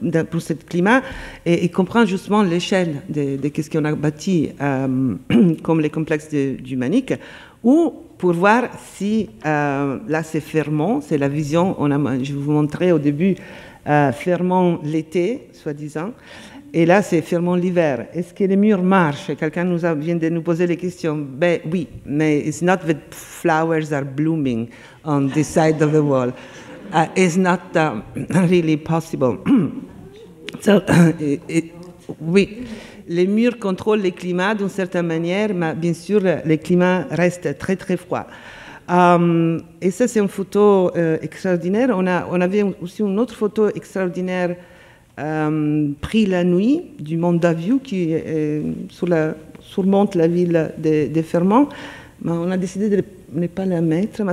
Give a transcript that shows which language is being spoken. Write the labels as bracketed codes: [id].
[fr] pour ce climat, et il comprend justement l'échelle de qu'est-ce qu'on a bâti comme les complexes du Manic, ou pour voir si là c'est Fermont, c'est la vision je vous montrais au début Fermont l'été soi-disant. Et là, c'est Fermont l'hiver. Est-ce que les murs marchent? Quelqu'un vient de nous poser les questions. Ben oui, mais [en] it's not that flowers are blooming on this side of the wall. It's not really possible. [fr] So, oui, les murs contrôlent le climat d'une certaine manière, mais bien sûr, le climat reste très, très froid. Et ça, c'est une photo extraordinaire. On avait aussi une autre photo extraordinaire pris la nuit du Mont Daviou qui surmonte la ville de Fermont, mais on a décidé de ne pas la mettre.